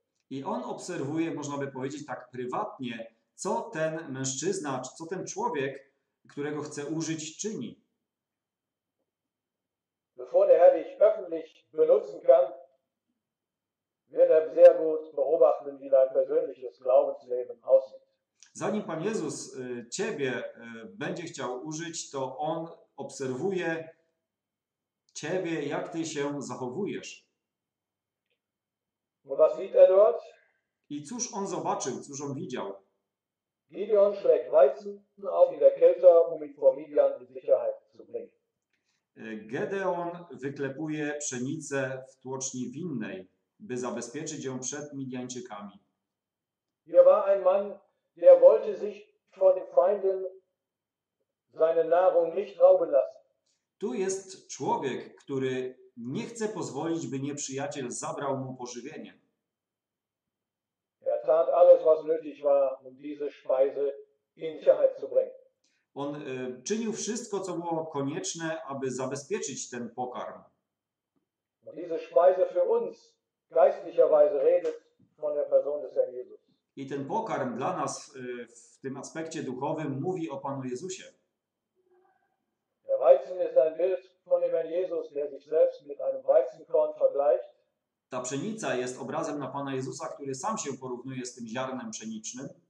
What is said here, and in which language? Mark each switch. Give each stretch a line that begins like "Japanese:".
Polish: I on obserwuje, można by powiedzieć tak prywatnie, co ten mężczyzna, co ten człowiek, którego chce użyć, czyni.
German: Bevor der Herr dich öffentlich benutzen kann, wird er sehr gut beobachten, wie dein persönliches Glaubensleben aussieht.
Polish: Zanim Pan Jezus ciebie będzie chciał użyć, to on obserwuje ciebie, jak ty się zachowujesz.
German: Und was sieht er dort?
Polish: I cóż on zobaczył, cóż on widział?
German: Gideon schlägt Weizen auf in der Kälte, um ihn vor Midian in Sicherheit zu bringen.
Polish: Gedeon wyklepuje pszenicę w tłoczni winnej, by zabezpieczyć ją przed Midianczykami.
German: Hier war ein Mann, der wollte sich vor den Feinden seine Nahrung nicht rauben lassen.
Polish: Tu jest człowiek, który nie chce pozwolić, by nieprzyjaciel zabrał mu pożywienie.
German: Er tat alles, was nötig war, um diese Speise in Sicherheit zu bringen.
Polish: On czynił wszystko, co było konieczne, aby zabezpieczyć ten pokarm.
German: Diese Speise für uns geistlicherweise redet von der Person des Herrn Jesus.
Polish: I ten pokarm dla nas w tym aspekcie duchowym mówi o Panu Jezusie.
German: Der Weizen ist ein Bild von dem Herrn Jesus, der sich selbst mit einem Weizenkorn vergleicht.
Polish: Ta pszenica jest obrazem na Pana Jezusa, który sam się porównuje z tym ziarnem pszenicznym.